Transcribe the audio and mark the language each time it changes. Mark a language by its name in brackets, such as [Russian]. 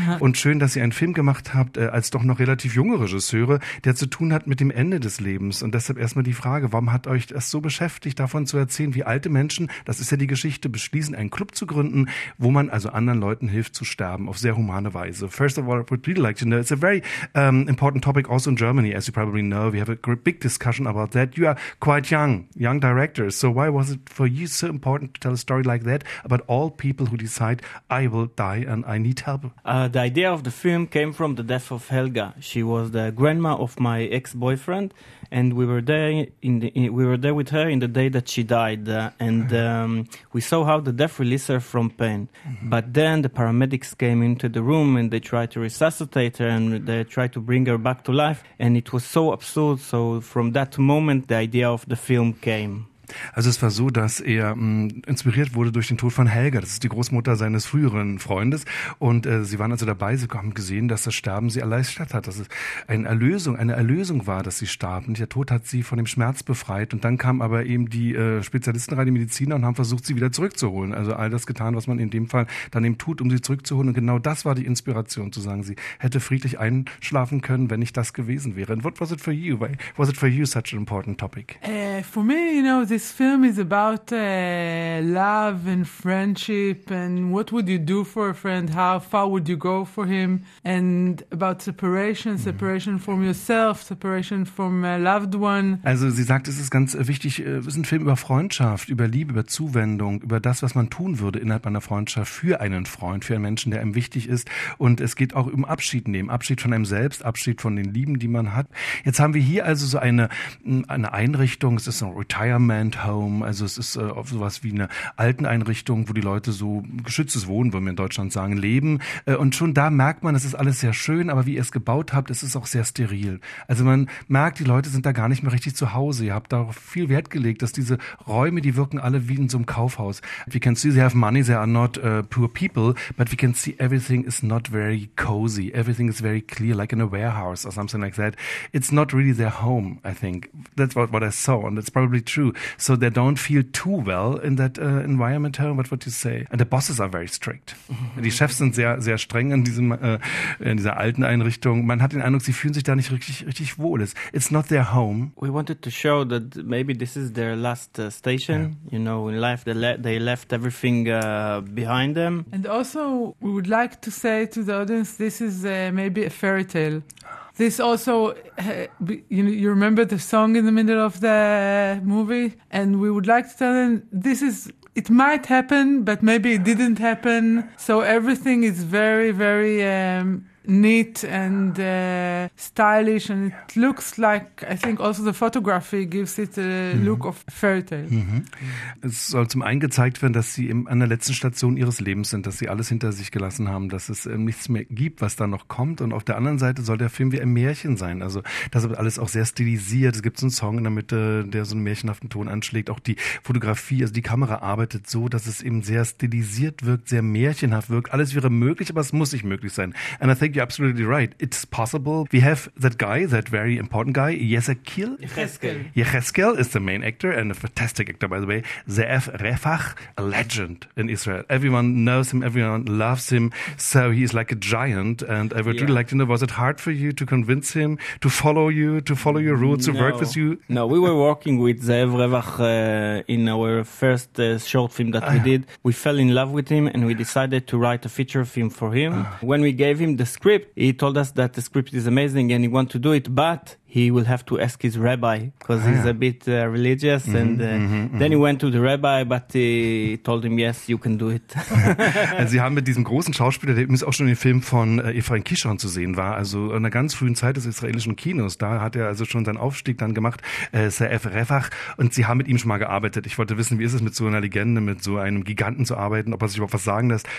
[German] Und schön, dass ihr einen Film gemacht habt, als doch noch relativ junge Regisseure, der zu tun hat mit dem Ende des Lebens. Und deshalb erstmal die Frage, warum hat euch das so beschäftigt, davon zu erzählen, wie alte Menschen, das ist ja die Geschichte, beschließen, einen Club zu gründen, wo man also anderen Leuten hilft zu sterben, auf sehr humane Weise. [English] First of all, I would really like to know, it's a very important topic also in Germany, as you probably know, we have a big discussion about that. You are quite young directors, so why was it for you so important to tell a story like that about all people who decide I will die and I need help? The idea of the film came from the death of Helga. She was the grandma of my ex-boyfriend, and we were there with her in the day that she died, we saw how the death released her from pain. Mm-hmm. But then the paramedics came into the room and they tried to resuscitate her and they tried to bring her back to life, and it was so absurd. So from that moment the idea of the film came. [German] Also es war so, dass er inspiriert wurde durch den Tod von Helga. Das ist die Großmutter seines früheren Freundes. Und sie waren also dabei. Sie haben gesehen, dass das Sterben sie erleichtert hat. Dass es eine Erlösung war, dass sie starb. Und der Tod hat sie von dem Schmerz befreit. Und dann kamen aber eben die Spezialisten rein, die Mediziner, und haben versucht, sie wieder zurückzuholen. Also all das getan, was man in dem Fall dann eben tut, um sie zurückzuholen. Und genau das war die Inspiration, zu sagen, sie hätte friedlich einschlafen können, wenn nicht das gewesen wäre. And what was it for you? Why was it for you such an important topic? [English] For me, you know, this this film is about love and friendship and what would you do for a friend, how far would you go for him, and about separation, separation from yourself, separation from a loved one. [German] Also sie sagt, es ist ganz wichtig, es ist ein Film über Freundschaft, über Liebe, über Zuwendung, über das, was man tun würde innerhalb einer Freundschaft für einen Freund, für einen Menschen, der einem wichtig ist. Und es geht auch um Abschied nehmen, Abschied von einem selbst, Abschied von den Lieben, die man hat. Jetzt haben wir hier also so eine Einrichtung, es ist ein Retirement Home, also es ist sowas wie eine Alteneinrichtung, wo die Leute so geschütztes Wohnen, würden wir in Deutschland sagen, leben. Und schon da merkt man, es ist alles sehr schön, aber wie ihr es gebaut habt, es ist auch sehr steril. Also man merkt, die Leute sind da gar nicht mehr richtig zu Hause. Ihr habt darauf viel Wert gelegt, dass diese Räume, die wirken alle wie in so einem Kaufhaus. [English] We can see they have money, they are not poor people, but we can see everything is not very cozy. Everything is very clear, like in a warehouse or something like that. It's not really their home, I think. That's what I saw, and that's probably true. So they don't feel too well in that environment home. What would you say? And the bosses are very strict. [German] Die Chefs sind sehr, sehr streng in dieser alten Einrichtung. Man hat den Eindruck, sie fühlen sich da nicht richtig, richtig wohl. [English] It's not their home. We wanted to show that maybe this is their last station. Yeah. You know, in life they left everything behind them. And also, we would like to say to the audience, this is maybe a fairy tale. This also, you remember the song in the middle of the movie? And we would like to tell them, this is, it might happen, but maybe it didn't happen. So everything is very, very neat and stylish, and it looks like, I think also the photography gives it a look of fairy tale. Mm-hmm. [German] Es soll zum einen gezeigt werden, dass sie an der letzten Station ihres Lebens sind, dass sie alles hinter sich gelassen haben, dass es nichts mehr gibt, was da noch kommt, und auf der anderen Seite soll der Film wie ein Märchen sein, also das wird alles auch sehr stilisiert, es gibt so einen Song in der Mitte, der so einen märchenhaften Ton anschlägt, auch die Fotografie, also die Kamera arbeitet so, dass es eben sehr stilisiert wirkt, sehr märchenhaft wirkt, alles wäre möglich, aber es muss nicht möglich sein. [English] And I think you're absolutely right. It's possible. We have that guy, that very important guy, Yecheskel is the main actor and a fantastic actor, by the way. Ze'ev Refach, a legend in Israel. Everyone knows him, everyone loves him, so he's like a giant, and I would really like to know, was it hard for you to convince him to follow you, to follow your rules, to work with you? No, we were working with Ze'ev Refach in our first short film that we did. We fell in love with him and we decided to write a feature film for him. When we gave him the script, he told us that the script is amazing and he wants to do it, but he will have to ask his rabbi because he's a bit religious. Mm-hmm, and then he went to the rabbi, but he told him, yes, you can do it. [German] Also sie haben mit diesem großen Schauspieler, der übrigens auch schon im Film von Efrain Kishon zu sehen war, also in einer ganz frühen Zeit des israelischen Kinos, da hat er also schon seinen Aufstieg dann gemacht, Ze'ev Refach, und sie haben mit ihm schon mal gearbeitet. Ich wollte wissen, wie ist es mit so einer Legende, mit so einem Giganten zu arbeiten, ob er sich überhaupt was sagen lässt.